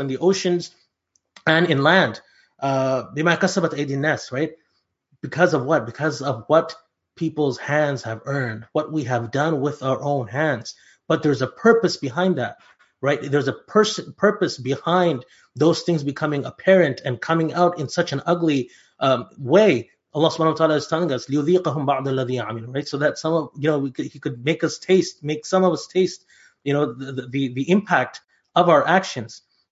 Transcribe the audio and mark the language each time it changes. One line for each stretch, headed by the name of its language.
English: So in the oceans and in land.
Arabic: بِمَا كَسَبَتْ أَيْدِ النَّاسِ,
English: right? Because of what? Because of what people's hands have earned, what we have done with our own hands. But there's a purpose behind that, right? There's a purpose behind those things becoming apparent and coming out in such an ugly way. Allah subhanahu wa ta'ala is telling us,
Arabic: لِيُذِيقَهُمْ بَعْضَ الَّذِي عَمِلُ,
English: right? So that some of, you know, he could make some of us taste, you know, the impact of our actions.